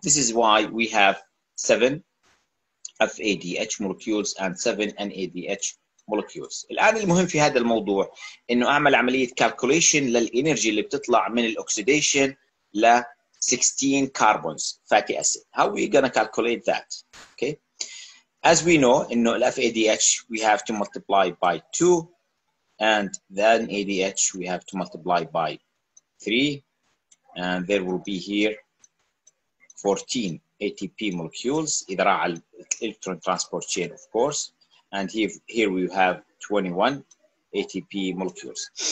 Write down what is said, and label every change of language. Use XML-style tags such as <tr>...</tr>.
<en>This is why we have seven FADH molecules and seven NADH molecules.</en> <ar>الآن المهم في هذا الموضوع إنه أعمل عملية calculation للإنرجي اللي بتطلع من الأكسيديشن ل 16 carbons fatty acid.</ar> <en>How are we gonna calculate that? Okay. As we know, in the FADH, we have to multiply by 2, and then ADH, we have to multiply by 3, and there will be here 14 ATP molecules, either on the electron transport chain, of course, and here we have 21 ATP molecules.</en>